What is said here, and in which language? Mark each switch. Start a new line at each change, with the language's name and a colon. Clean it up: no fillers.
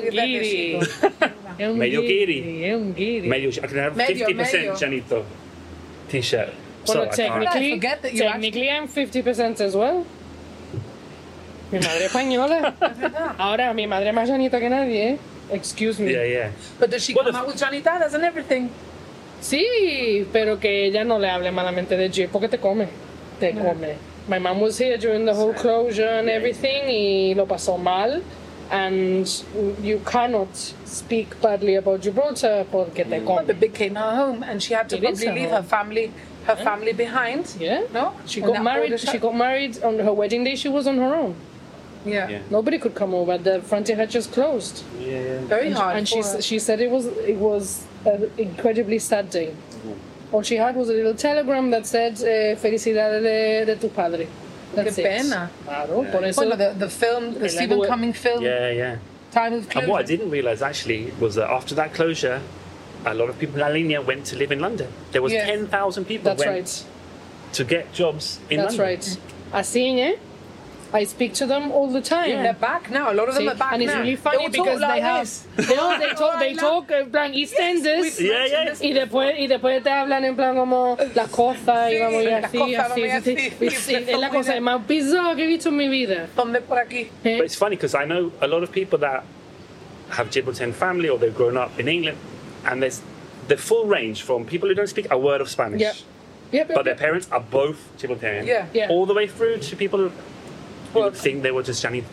Spanish: giri. Medio giri.
English: I can have 50% Janito t-shirt. So technically, I'm 50% as well.
Spanish: Mi madre española. Ahora, mi madre más Janito que nadie.
English: Excuse me. Yeah, yeah. But does she come out with janitadas and everything?
Spanish: Sí, pero que ella no le hable malamente de G, porque te come. Te come.
English: My mom was here during the whole closure and everything,
Spanish: y lo pasó mal.
English: And you cannot speak badly about Gibraltar,
Spanish: porque te come.
English: Well, the big came her home, and she had to leave her family behind. Yeah. No? She got married on her wedding day, she was on her own. Yeah. Nobody could come over. The frontier had just closed. Yeah. Very hard. And she said it was an incredibly sad day. All she had was a little telegram that said
Spanish: "Felicidades de tu padre."
English: That's
Spanish: it. Qué pena.
English: Claro. Yeah. The Stephen Cumming film. Yeah, yeah. Time of closure. And what I didn't realize actually was that after that closure, a lot of people in La Línea went to live in London. There was 10,000 people. That's went right. To get jobs in That's London. That's right.
Spanish: Así, eh?
English: I speak to them all the time. Yeah. They're back now. A lot of them are back now. And it's really funny because they talk
Spanish: en plan
English: EastEnders.
Spanish: Y después te hablan en plan como la cosa y vamos y así. Es la cosa más bizarre que he visto en mi vida. ¿Dónde por aquí?
English: But it's funny because I know a lot of people that have Gibraltarian family or they've grown up in England, and there's the full range from people who don't speak a word of Spanish. Yep. Their parents are both Gibraltarian. Yeah. All the way through to people think they were just Johnny.